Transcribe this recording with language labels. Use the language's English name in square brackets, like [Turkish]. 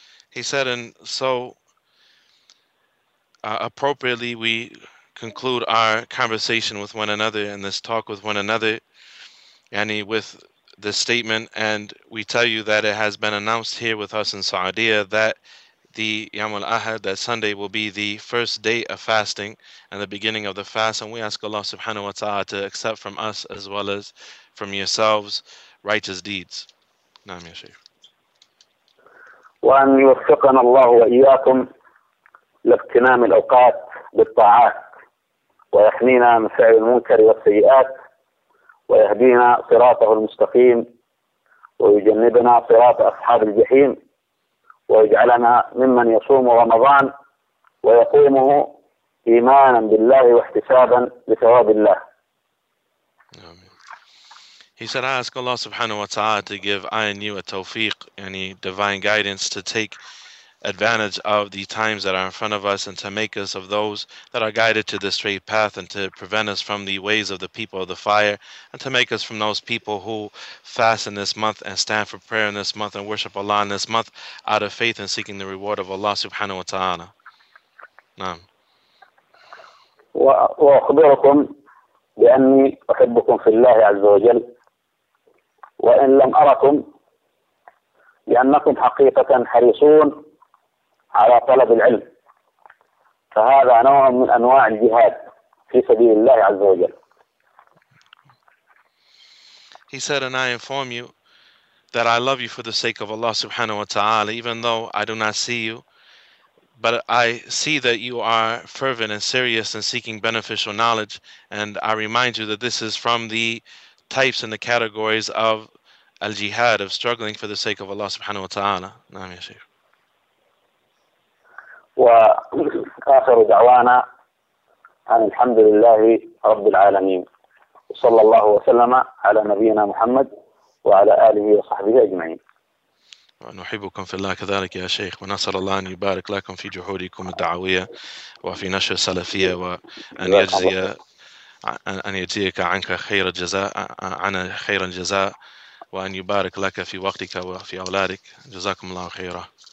[English] He said, and so appropriately we conclude our conversation with one another and this talk with one another, yani with this statement, and we tell you that it has been announced here with us in Saudia that the Yawm al-Ahad, that Sunday, will be the first day of fasting and the beginning of the fast. And we ask Allah subhanahu wa ta'ala to accept from us as well as from yourselves righteous deeds. [Arabic] Naam ya Shaykh. وأن يوفقنا الله وإياكم لاغتنام الأوقات بالطاعات ويحمينا من فعل المنكر والسيئات ويهدينا صراطه المستقيم ويجنبنا صراط أصحاب الجحيم ويجعلنا ممن يصوم رمضان ويقومه إيمانا بالله واحتسابا لثواب الله. [English] He said, I ask Allah subhanahu wa ta'ala to give I and you a tawfiq, any divine guidance to take advantage of the times that are in front of us and to make us of those that are guided to the straight path and to prevent us from the ways of the people of the fire and to make us from those people who fast in this month and stand for prayer in this month and worship Allah in this month out of faith and seeking the reward of Allah subhanahu wa ta'ala. [Arabic] Naam. وأخبركم بأني أحبكم في الله عز وجل وإن لم أركم لأنكم حقيقة حريصون على طلب العلم فهذا نوع من أنواع الجهاد في سبيل الله عز وجل. [English] He said, and I inform you that I love you for the sake of Allah subhanahu wa ta'ala, even though I do not see you. But I see that you are fervent and serious in seeking beneficial knowledge, and I remind you that this is from the types and the categories of al-jihad, of struggling for the sake of Allah subhanahu wa ta'ala. [Arabic] Naam ya Shaykh. وآخر دعوانا أن الحمد لله رب العالمين صلى الله وسلم على نبينا محمد وعلى آله وصحبه أجمعين. ونحبكم في الله كذلك يا شيخ ونسأل الله أن يبارك لكم في جهودكم الدعوية وفي نشر السلفية وأن يجزي أن يجزيك عنك خير الجزاء عن خير الجزاء وأن يبارك لك في وقتك وفي أولادك جزاكم الله خيرا.